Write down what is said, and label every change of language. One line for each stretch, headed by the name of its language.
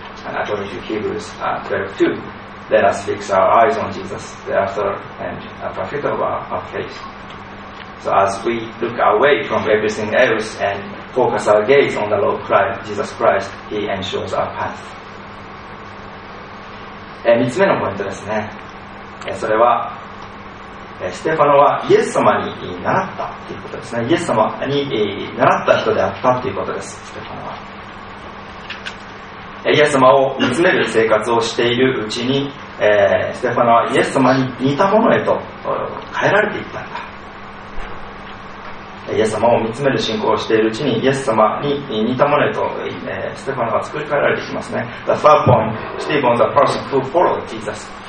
English: And according to Hebrews 12:2, let us fix our eyes on Jesus, the author and perfecter of our faith. So as we look away from everything else and focus our gaze on the Lord Christ, Jesus Christ, He ensures our path.
Japanese: And 3つ目のポイントですね。それは、ステファノはイエス様に習ったということですね。イエス様に習った人であったということです、ステファノは。イエス様を見つめる生活をしているうちに、ステファノはイエス様に似たものへと変えられていったんだ。イエス様を見つめる信仰をしているうちにイエス様に似たものへと、ステファノが作り変えられてきますね。
English: The third point, Stephen was a person who followed Jesus.